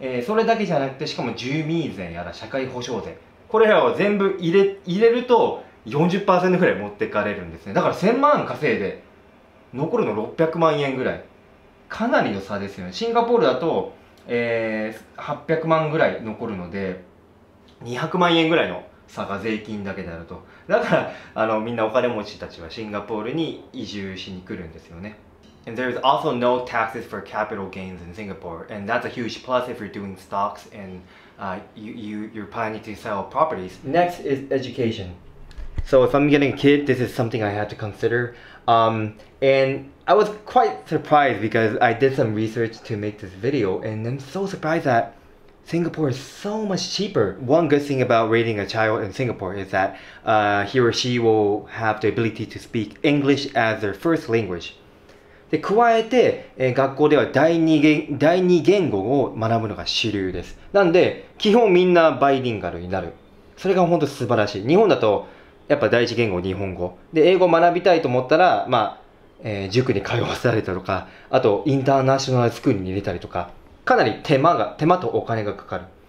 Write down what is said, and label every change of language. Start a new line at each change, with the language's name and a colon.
Japanese: で、それだけじゃなくて、しかも住民税やら社会保障税、これらを全部入れると 40% ぐらい持ってかれるんですね。だから1000万稼いで残るの600万円ぐらい、かなりの差ですよね。シンガポールだと、800万ぐらい残るので200万円ぐらいの差が税金だけであると。だからみんなお金持ちたちはシンガポールに移住しに来るんですよね。
English: And there is also no taxes for capital gains in Singapore, and that's a huge plus if you're doing stocks and you're planning to sell properties. Next is education. So if I'm getting a kid, this is something I had to consider. And I was quite surprised because I did some research to make this video, and I'm so surprised that Singapore is so much cheaper. One good thing about raising a child in Singapore is that he or she will have the ability to speak English as their first language.
Japanese: で、加えて、学校では第二言語を学ぶのが主流です。なんで、基本みんなバイリンガルになる。それが本当素晴らしい。日本だと、やっぱ第一言語日本語。で、英語を学びたいと思ったら、まあ、塾に通わされたとか、あと、インターナショナルスクールに入れたりとか、かなり手間とお金がかかる。